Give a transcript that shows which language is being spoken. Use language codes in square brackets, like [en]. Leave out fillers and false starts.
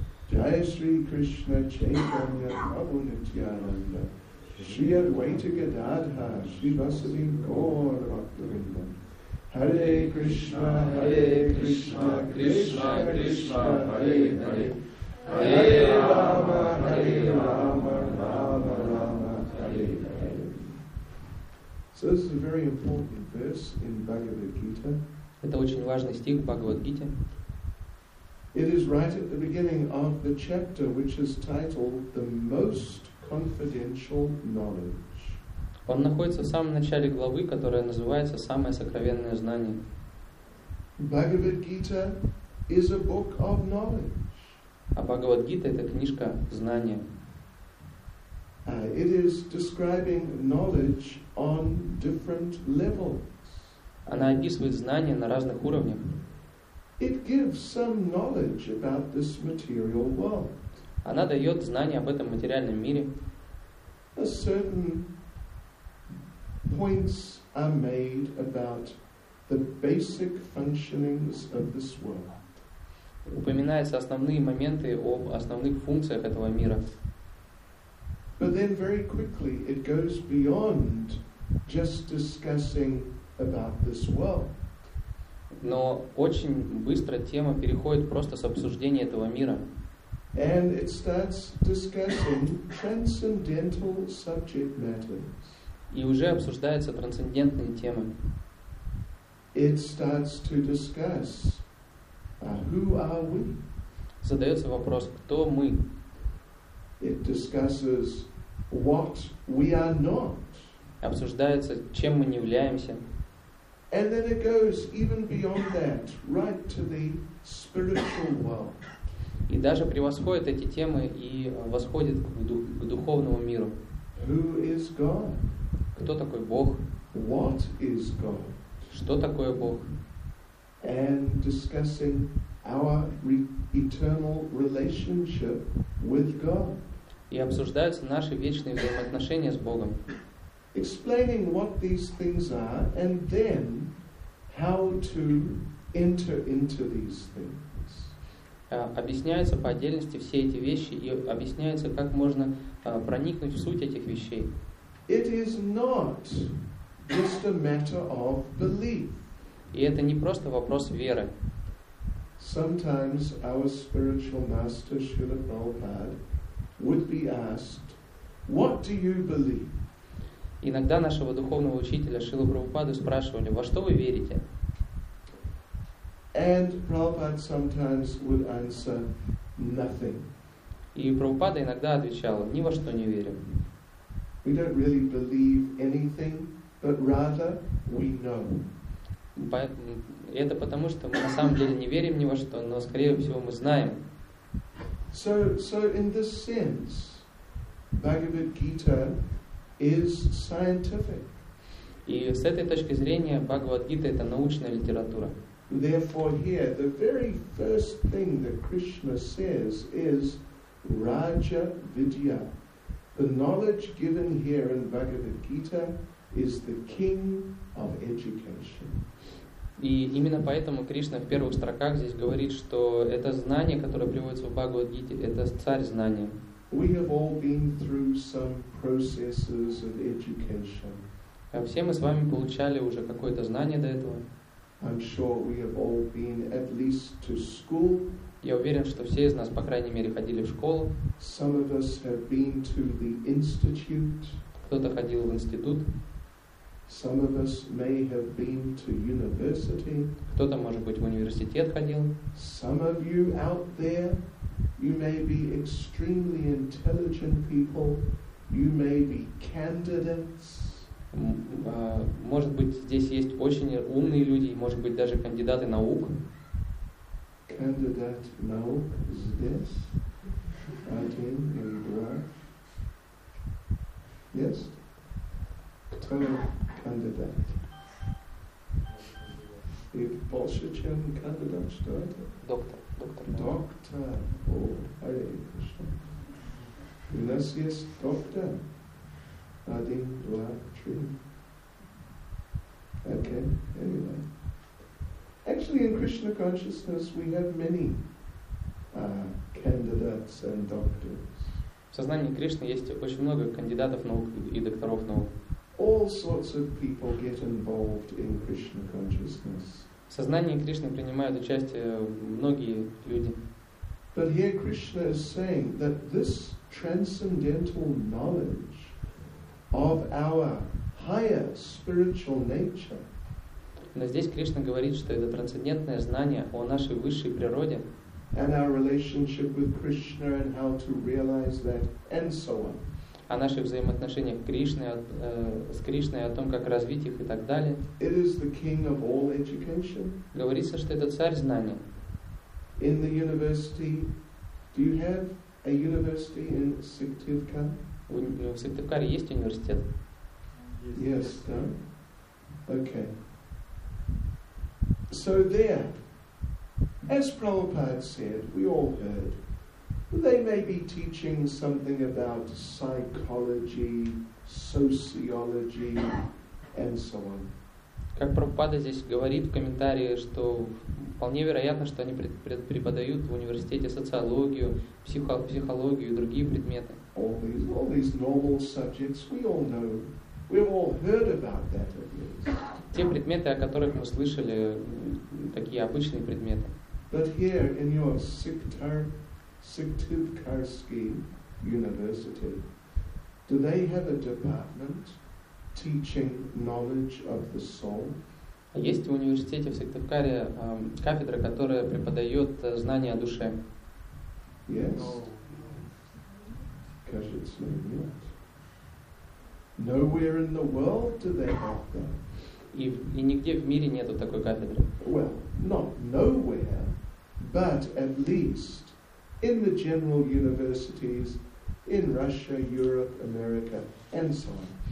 [sa] Джая Шри Кришна Чайтанья Прабху Нитьянанда Шри Адвайта Гададха Шри Васади Гаура Бхактавинда Hare Krishna, Hare Krishna, Krishna Krishna, Hare Hare. Hare Rama, Hare Rama, Rama Rama, Hare Hare. [en] So this is a very important verse in Bhagavad Gita. [ru] Это очень важный стих в Бхагавад-гите. [en] It is right at the beginning of the chapter, which is titled "The Most Confidential Knowledge". [ru] Он находится в самом начале главы, которая называется «Самое сокровенное знание». [en] Бхагавад-гита is a book of knowledge. [ru] А Бхагавад-гита — это книжка знания. [en] It is describing knowledge on different levels. [ru] Она описывает знания на разных уровнях. [en] It gives some knowledge about this material world. [ru] Она дает знания об этом материальном мире. [en] A certain points are made about the basic functionings of this world. [ru] Упоминаются основные моменты об основных функциях этого мира. [en] But then very quickly it goes beyond just discussing about this world. [ru] Но очень быстро тема переходит просто с обсуждения этого мира. [en] And it starts discussing transcendental subject matters. [ru] И уже обсуждаются трансцендентные темы. [en] It starts to discuss, who are we? [ru] Задается вопрос, кто мы? [en] It discusses what we are not. [ru] Обсуждается, чем мы не являемся. [en] And then it goes even beyond that, right to the spiritual world. [ru] И даже превосходит эти темы и восходит к духовному миру. [en] Who is God? [ru] Кто такой Бог? [en] What is God? [ru] Что такое Бог? [en] And discussing our eternal relationship with God. [ru] И обсуждаются наши вечные взаимоотношения с Богом. [en] Explaining what these things are and then how to enter into these things. [ru] Объясняются по отдельности все эти вещи и объясняется, как можно проникнуть в суть этих вещей. [en] It is not just a matter of belief. [ru] И это не просто вопрос веры. [en] Sometimes our spiritual master Srila Prabhupada would be asked, What do you believe? [ru] Иногда нашего духовного учителя Шрилы Прабхупады спрашивали: «Во что вы верите?» [en] And Prabhupada sometimes would answer, nothing. [ru] И Прабхупада иногда отвечал: «Ни во что не верим». [en] We don't really believe anything, but rather we know. [ru] Это потому, что мы на самом деле не верим ни во что, но скорее всего мы знаем. [en] So in this sense, Bhagavad Gita is scientific. [ru] И с этой точки зрения Бхагавад-гита это научная литература. [en] Therefore, here the very first thing that Krishna says is Raja Vidya. The knowledge given here in Bhagavad Gita is the king of education. [ru] И именно поэтому Кришна в первых строках здесь говорит, что это знание, которое приводится в Бхагавад-гите, это царь знания. [en] We have all been through some processes of education. [ru] Все мы с вами получали уже какое-то знание до этого. [en] I'm sure we have all been at least to school. [ru] Я уверен, что все из нас, по крайней мере, ходили в школу. [en] Some of us have been to the institute. [ru] Кто-то ходил в институт. [en] Some of us may have been to university. [ru] Кто-то, может быть, в университет ходил. [en] Some of you out there, you may be extremely intelligent people. You may be candidates. [ru] Может быть, здесь есть очень умные люди, может быть, даже кандидаты наук. Кандидат наук здесь, один и два. [en] Yes? [ru] Кто кандидат? И больше, чем кандидат, что это? Доктор. Доктор. О, Харе Кришна. У нас есть доктор. Один, два, три. [en] Okay, anyway. Actually, in Krishna consciousness, we have many candidates and doctors. [ru] В сознании Кришны есть очень много кандидатов наук и докторов наук. [en] All sorts of people get involved in Krishna consciousness. [ru] В сознании Кришны принимают участие многие люди. [en] But here Krishna is saying that this transcendental knowledge of our higher spiritual nature. [ru] Но здесь Кришна говорит, что это трансцендентное знание о нашей высшей природе. [en] And our relationship with Krishna and how to realize that, and so on. [ru] О наших взаимоотношениях с Кришной, о том, как развить их и так далее. [en] It is the king of all education. [ru] Говорится, что это царь знания. [en] In the university, do you have a university in Сыктывкаре? [ru] В Сыктывкаре есть университет? [en] Yes, no? Okay. So there, as Prabhupada said, we all heard, they may be teaching something about psychology, sociology, and so on. [ru] Как Прабхупада здесь говорит в комментарии, что вполне вероятно, что они преподают в университете социологию, психологию и другие предметы. [en] All these normal subjects, we all know. We've all heard about that at least. [ru] Те предметы, о которых мы слышали, такие обычные предметы. [en] But here in your Сыктывкарский university, do they have a department teaching knowledge of the soul? [ru] Есть в университете в Сыктывкаре кафедра, которая преподает знания о душе? [en] Yes. [ru] Кажется, нет. [en] Nowhere in the world do they have that. [ru] И нигде в мире нету такой кафедры. [en] Well, not nowhere, but at least in the general universities in Russia, Europe, America, and so on.